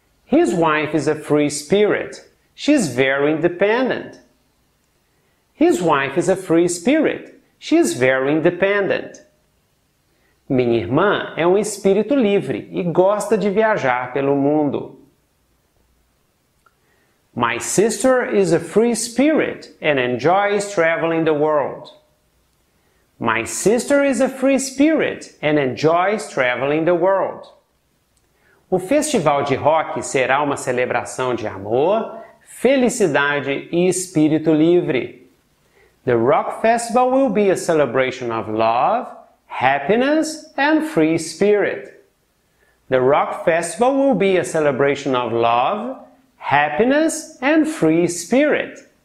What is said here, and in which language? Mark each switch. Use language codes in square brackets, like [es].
[en] His wife is a free spirit. She's very independent. His wife is a free spirit. She's very independent. [pt] Minha irmã é um espírito livre e gosta de viajar pelo mundo. [en] My sister is a free spirit and enjoys traveling the world. My sister is a free spirit and enjoys traveling the world. [pt] O festival de rock será uma celebração de amor, felicidade e espírito livre. [en] The rock festival will be a celebration of love, happiness and free spirit. The rock festival will be a celebration of love, happiness and free spirit.